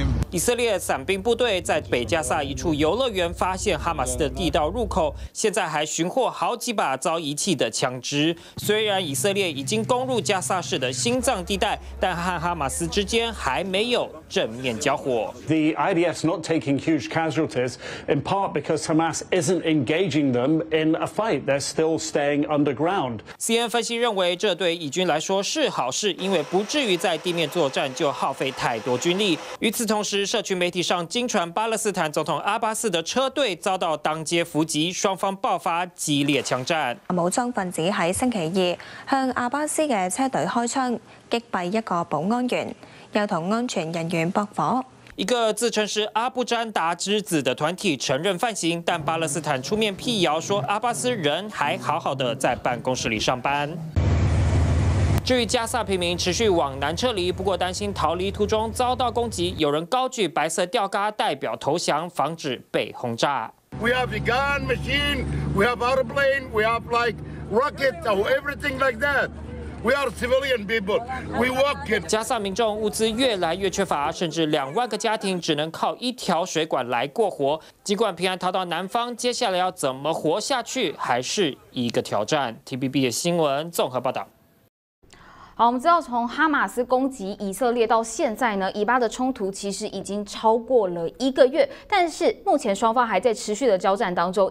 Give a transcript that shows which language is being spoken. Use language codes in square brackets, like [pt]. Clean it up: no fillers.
[zh] 以色列伞兵部队在北加萨一处游乐园发现哈马斯的地道入口，现在还寻获好几把遭遗弃的枪支。虽然以色列已经攻入加萨市的心脏地带，但和哈马斯之间还没有正面交火。 [en] The IDF's not taking huge casualties, in part because Hamas isn't engaging them in a fight. They're still staying underground. [zh] CNN 分析认为，这对以军来说是好事，因为不至于在地面作战就耗费太多军力。与此同时，社群媒体上经传巴勒斯坦总统阿巴斯的车队遭到当街伏击，双方爆发激烈枪战。武装分子在星期二向阿巴斯的车队开枪，击毙一个保安员，又同安全人员搏火。一个自称是阿布詹达之子的团体承认犯行，但巴勒斯坦出面辟谣说阿巴斯人还好好的在办公室里上班。至于加萨平民持续往南撤离，不过担心逃离途中遭到攻击，有人高举白色吊嘎代表投降，防止被轰炸。 [en] We have the gun machine, we have airplane, we have like rockets, everything like that. We are civilian people. We work it. [zh] 加萨民众物资越来越缺乏，甚至2万个家庭只能靠一条水管来过活。尽管平安逃到南方，接下来要怎么活下去，还是一个挑战。TVBS 新闻综合报道。好，我们知道从哈马斯攻击以色列到现在呢，以巴的冲突其实已经超过了一个月，但是目前双方还在持续的交战当中。